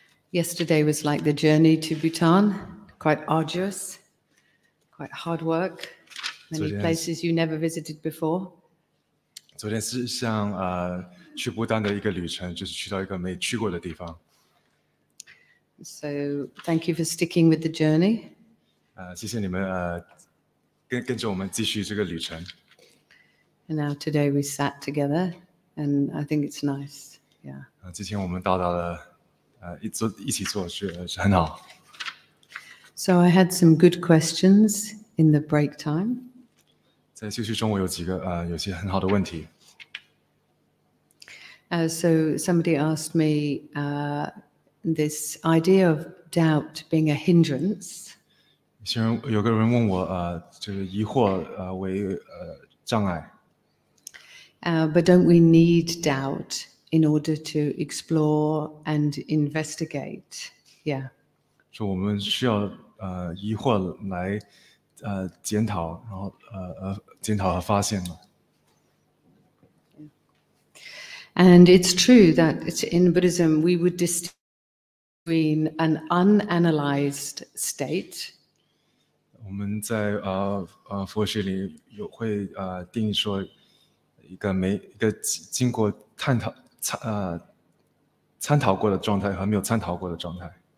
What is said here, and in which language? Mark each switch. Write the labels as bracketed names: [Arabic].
[English] Yesterday was like the journey to Bhutan, quite arduous, quite hard work, many places you never visited before. [Chinese] 昨天是像去不丹的一个旅程，就是去到一个没去过的地方。 [English] So thank you for sticking with the journey. [Chinese] 谢谢你们跟着我们继续这个旅程。 [English] And now today we sat together, and I think it's nice. Yeah. [Chinese] 之前我们到达了。一起坐是很好。 [English] So I had some good questions in the break time. [Chinese] 在休息中，我有几个有些很好的问题。 [English] So somebody asked me this idea of doubt being a hindrance. [Chinese] 有个人问我这个疑惑为障碍。 [English] But don't we need doubt in order to explore and investigate? Yeah. [Chinese] 说我们需要疑惑来检讨，然后检讨和发现吗？ [English] And it's true that in Buddhism we would distinguish between an unanalyzed state. [Chinese] 我们在佛学里有会定义说一个经过探讨。参讨过的状态和没有参讨过的状态